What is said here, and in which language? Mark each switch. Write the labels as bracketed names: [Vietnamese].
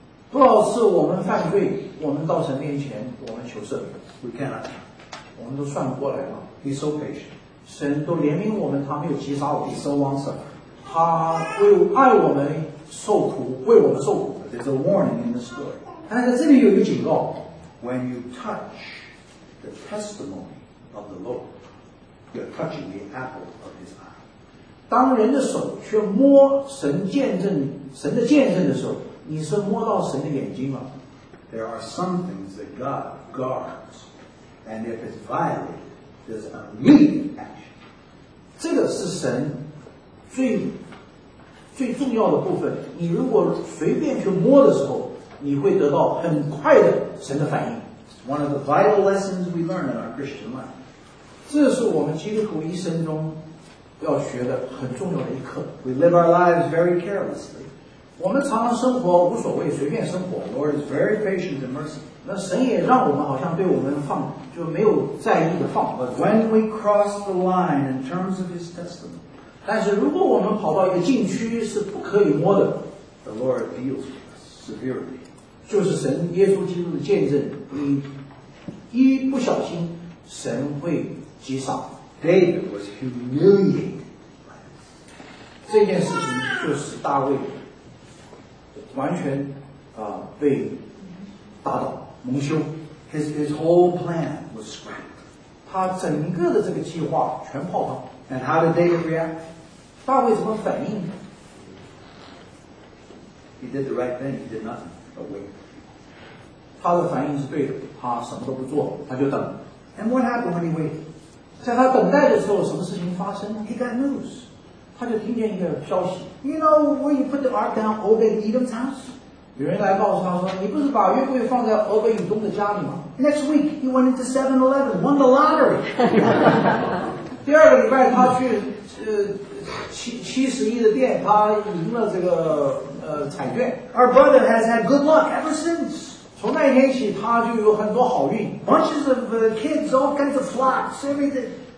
[Chinese] 多少次我们犯罪，我们到神面前，我们求赦免 [English] ？We cannot. [Chinese] 我们都算不过来了。 [English] He's so patient. [Chinese] 神都怜悯我们，他没有击杀我。 [English] He's so long-suffering. [Chinese] 他为爱我们受苦，为我们受苦。 [English] There's a warning in the story. [Chinese] 但是这里有一个警告。 [English] When you touch the testimony of the Lord, you're touching the apple of His eye. [Chinese] 当人的手去摸神见证神的见证的时候，你是摸到神的眼睛了。 [English] There are some things that God guards, and if it's violated, there's immediate action. [Chinese] 这个是神最重要的部分。你如果随便去摸的时候，你会得到很快的神的反应。 [English] One of the vital lessons we learn in our Christian life. [Chinese] 这是我们基督徒一生中要学的很重要的一课。 [English] We live our lives very carelessly. [Chinese] 我们常常生活无所谓，随便生活。 [English] The Lord is very patient and merciful. [Chinese] 那神也让我们好像对我们放，就没有在意的放。 [English] But when we cross the line in terms of His testimony, [Chinese] 但是如果我们跑到一个禁区是不可以摸的， [English] The Lord deals with us severely. [Chinese] 就是神耶稣基督的见证，你一不小心，神会击伤。 [English] David was humiliated. [Chinese] 这件事情就是大卫完全被打倒蒙羞。 [English] His whole plan was scrapped. [Chinese] 他整个的这个计划全泡汤。 [English] And how did David react? [Chinese] 大卫怎么反应？ [English] He did the right thing. He did nothing but wait. [Chinese] 他的反应是对的，他什么都不做，他就等。 [English] And what happened when he waited? [Chinese] 在他等待的时候，什么事情发生呢？ [English] He got news. [Chinese] 他就听见一个消息。 [English] You know where you put the ark down? Obed-Edom's house. [Chinese] 有人来告诉他说，你不是把约柜放在俄北以东的家里吗？ [English] Next week, he went into 7-Eleven, won the lottery. [Chinese] 第二个礼拜，他去71的店，他赢了这个彩券。 [English] Our brother has had good luck ever since. [Chinese] 从那一天起，他就有很多好运。 [English] Bunches of kids, all kinds of flocks, everything.